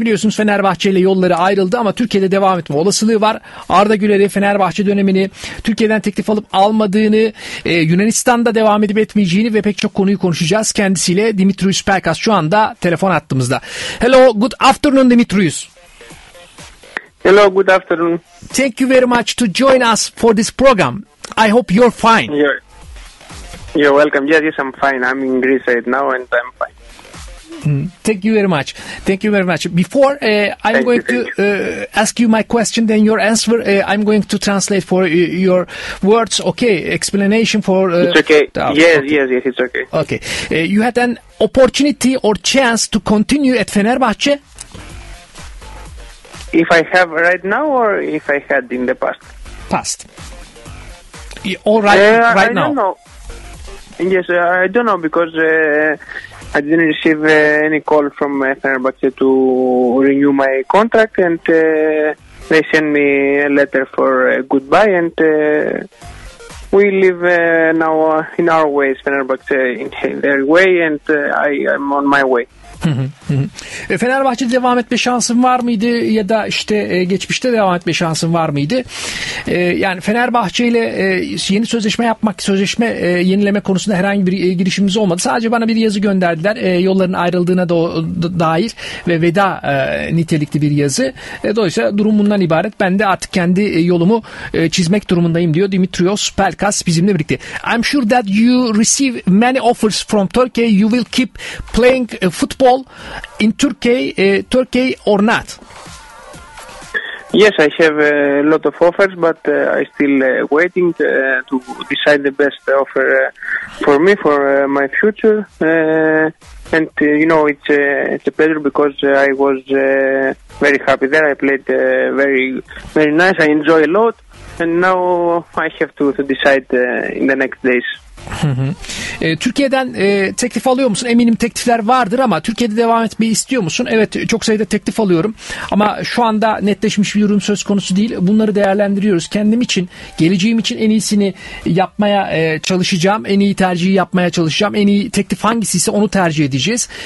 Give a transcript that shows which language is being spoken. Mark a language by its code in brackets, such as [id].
[tr] Biliyorsunuz Fenerbahçe ile yolları ayrıldı ama Türkiye'de devam etme olasılığı var. Arda Güler'i, Fenerbahçe dönemini, Türkiye'den teklif alıp almadığını, Yunanistan'da devam edip etmeyeceğini ve pek çok konuyu konuşacağız. Kendisiyle Dimitrios Pelkas şu anda telefon attığımızda. [en] Hello, good afternoon [tr] Dimitrios. [en] Hello, good afternoon. Thank you very much to join us for this program. I hope you're fine. You're welcome. Yes, I'm fine. I'm in Greece right now and I'm fine. Thank you very much. Thank you very much. Before I'm going to ask you my question, then your answer, I'm going to translate for your words, okay, explanation for... It's okay. Yes, it's okay. Okay. You had an opportunity or chance to continue at Fenerbahçe? If I have right now or if I had in the past? Past. All right, right I now. I don't know. Yes, I don't know because... I didn't receive any call from Fenerbahce to renew my contract, and they sent me a letter for goodbye, and we live now in our ways, Fenerbahce in their way, and I'm on my way. [tr] Fenerbahçe'de devam etme şansın var mıydı ya da işte geçmişte devam etme şansın var mıydı? Yani Fenerbahçe ile yeni sözleşme yapmak, sözleşme yenileme konusunda herhangi bir girişimimiz olmadı. Sadece bana bir yazı gönderdiler yolların ayrıldığına dair ve veda nitelikli bir yazı. Dolayısıyla durum bundan ibaret. Ben de artık kendi yolumu çizmek durumundayım diyor Dimitrios Pelkas bizimle birlikte. [en] I'm sure that you receive many offers from Turkey. You will keep playing football in Turkey, Turkey or not? Yes, I have a lot of offers, but I still waiting to decide the best offer for me for my future. And you know, it's a pleasure because I was very happy there. I played very very nice. I enjoy a lot, and now I have to decide in the next days. [tr] Türkiye'den teklif alıyor musun? Eminim teklifler vardır ama Türkiye'de devam etmeyi istiyor musun? Evet, çok sayıda teklif alıyorum ama şu anda netleşmiş bir yorum söz konusu değil. Bunları değerlendiriyoruz. Kendim için, geleceğim için en iyisini yapmaya çalışacağım. En iyi tercihi yapmaya çalışacağım. En iyi teklif hangisi ise onu tercih edeceğiz.